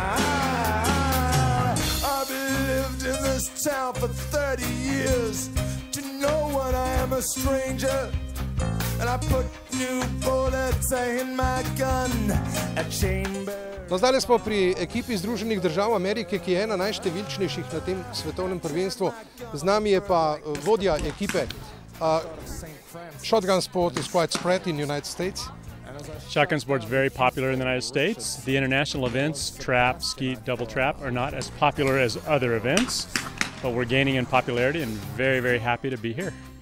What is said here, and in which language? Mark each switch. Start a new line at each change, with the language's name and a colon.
English: I've lived in this town for 30 years, to know what I am a stranger. And I put new bullets in my gun, a chamber.
Slovenian: No, zdaj smo pri ekipi Združenih držav Amerike, ki je ena najštevilčnejših na tem svetovnem prvenstvu. Z nami je pa vodja ekipe.
English: Shotgun sport is quite spread in the United States. Shotgun sport is very popular in the United States. The international events, trap, skeet, double trap, are not as popular as other events. But we're gaining in popularity and very, very happy to be here.